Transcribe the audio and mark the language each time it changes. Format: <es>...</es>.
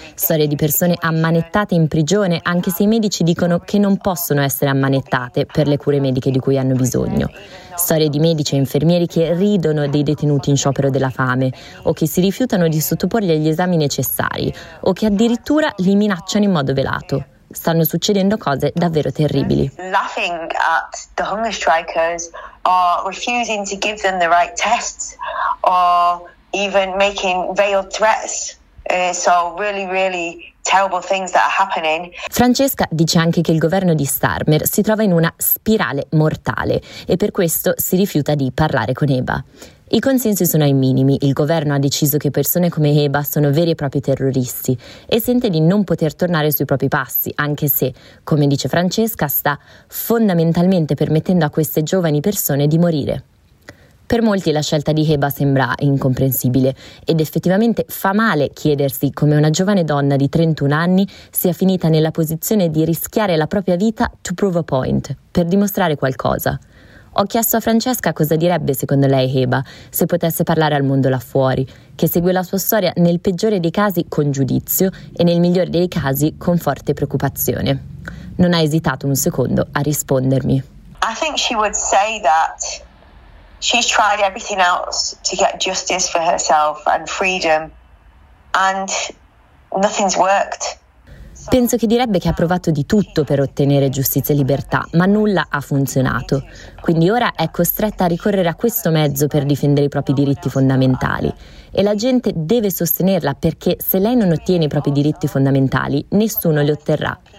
<it>Storie di persone ammanettate in prigione, anche se i medici dicono che non possono essere ammanettate per le cure mediche di cui hanno bisogno. Storie di medici e infermieri che ridono dei detenuti in sciopero della fame o che si rifiutano di sottoporli agli esami necessari o che addirittura li minacciano in modo velato. Stanno succedendo cose davvero terribili.</it> <en>Laughing at the hunger strikers or refusing to give them the right tests or even making veiled threats. So really, really terrible things that are happening.</en> <it>Francesca dice anche che il governo di Starmer si trova in una spirale mortale e per questo si rifiuta di parlare con Eba. I consensi sono ai minimi, il governo ha deciso che persone come Eba sono veri e propri terroristi e sente di non poter tornare sui propri passi, anche se, come dice Francesca, sta fondamentalmente permettendo a queste giovani persone di morire. Per molti la scelta di Heba sembra incomprensibile ed effettivamente fa male chiedersi come una giovane donna di 31 anni sia finita nella posizione di rischiare la propria vita</it> <en>to prove a point,</en> <it>per dimostrare qualcosa. Ho chiesto a Francesca cosa direbbe secondo lei Heba se potesse parlare al mondo là fuori, che segue la sua storia nel peggiore dei casi con giudizio e nel migliore dei casi con forte preoccupazione. Non ha esitato un secondo a rispondermi.</it> <en>I think she would say that she's tried everything else to get justice for herself and freedom, and nothing's worked.</en> <it>Penso che direbbe che ha provato di tutto per ottenere giustizia e libertà, ma nulla ha funzionato. Quindi ora è costretta a ricorrere a questo mezzo per difendere i propri diritti fondamentali. E la gente deve sostenerla perché se lei non ottiene i propri diritti fondamentali, nessuno li otterrà.</it>